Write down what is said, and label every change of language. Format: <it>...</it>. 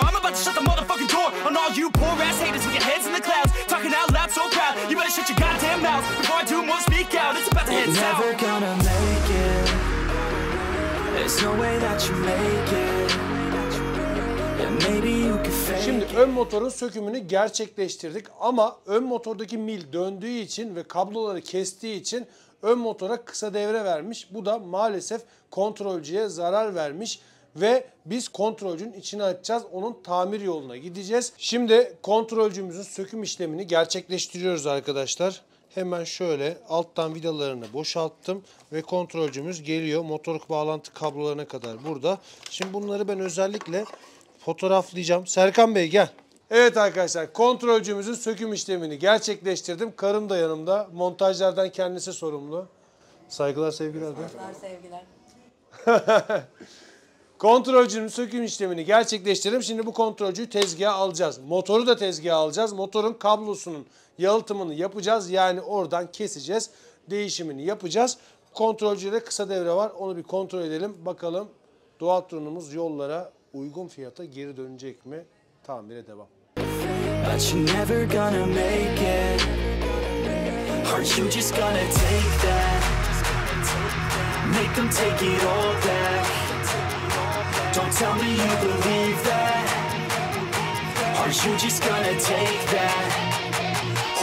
<en>I'm about to shut the motherfucking door on all you poor ass haters with your heads in the clouds, talking out loud so proud. You better shut your goddamn mouth before I do more, speak out. It's about to head south. Never gonna make it. There's no way that you make it. And maybe you can fake it.</en> <tr>Şimdi ön motorun sökümünü gerçekleştirdik ama ön motordaki mil döndüğü için ve kabloları kestiği için ön motora kısa devre vermiş. Bu da maalesef kontrolcüye zarar vermiş. Ve biz kontrolcünün içini açacağız. Onun tamir yoluna gideceğiz. Şimdi kontrolcümüzün söküm işlemini gerçekleştiriyoruz arkadaşlar. Hemen şöyle alttan vidalarını boşalttım. Ve kontrolcümüz geliyor. Motor bağlantı kablolarına kadar burada. Şimdi bunları ben özellikle fotoğraflayacağım. Serkan Bey gel. Evet arkadaşlar, kontrolcümüzün söküm işlemini gerçekleştirdim. Karım da yanımda. Montajlardan kendisi sorumlu. Saygılar, sevgiler. Saygılar, sevgiler. Kontrolcünün söküm işlemini gerçekleştirdim. Şimdi bu kontrolcüyü tezgaha alacağız. Motoru da tezgaha alacağız. Motorun kablosunun yalıtımını yapacağız. Yani oradan keseceğiz. Değişimini yapacağız. Kontrolcüde kısa devre var. Onu bir kontrol edelim. Bakalım doğal turnumuz yollara uygun fiyata geri dönecek mi? Tamire devam.</tr> <en>But you're never gonna make it. Aren't you just gonna take that? Make them take it all back. Don't tell me you believe that. Aren't you just gonna take that?</en>